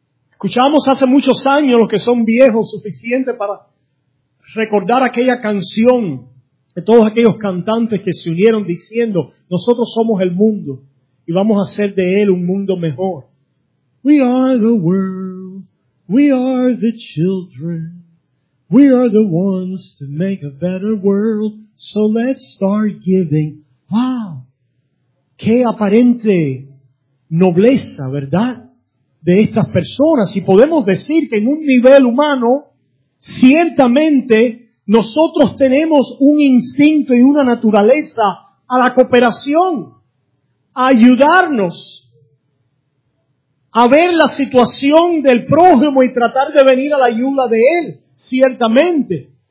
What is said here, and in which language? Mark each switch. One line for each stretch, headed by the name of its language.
Spanish: Escuchamos hace muchos años, los que son viejos suficientes para recordar aquella canción de todos aquellos cantantes que se unieron diciendo, nosotros somos el mundo y vamos a hacer de él un mundo mejor.
English: We are the world, we are the children, we are the ones to make a better world, so let's start giving. ¡Wow!
Spanish: ¡Qué aparente nobleza, ¿verdad?, de estas personas! Y podemos decir que en un nivel humano, ciertamente, nosotros tenemos un instinto y una naturaleza a la cooperación, a ayudarnos, a ver la situación del prójimo y tratar de venir a la ayuda de él, ciertamente.